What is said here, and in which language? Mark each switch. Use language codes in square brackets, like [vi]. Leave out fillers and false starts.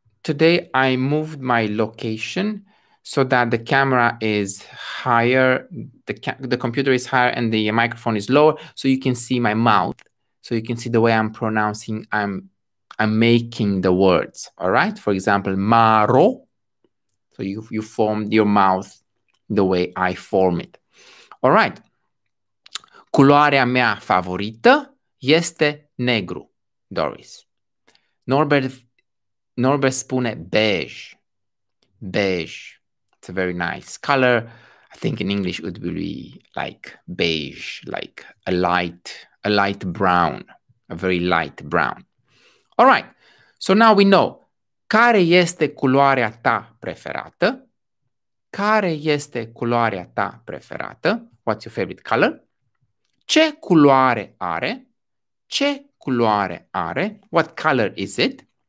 [en] Today I moved my location so that the camera is higher, the computer is higher and the microphone is lower, so you can see my mouth. So you can see the way I'm pronouncing, I'm making the words, all right? For example, maro. So you formed your mouth the way I form it. All right. [ro] Culoarea mea favorită este negru, Doris. Norbert spune beige. Beige. [en] It's a very nice color. I think in English it would be like beige, like a light brown, a very light brown. All right, so now we know. [ro] Care este culoarea ta preferată? Care este culoarea ta preferată? [en] What's your favorite color? [ro] Ce culoare are? Ce culoare are? [en] What color is it?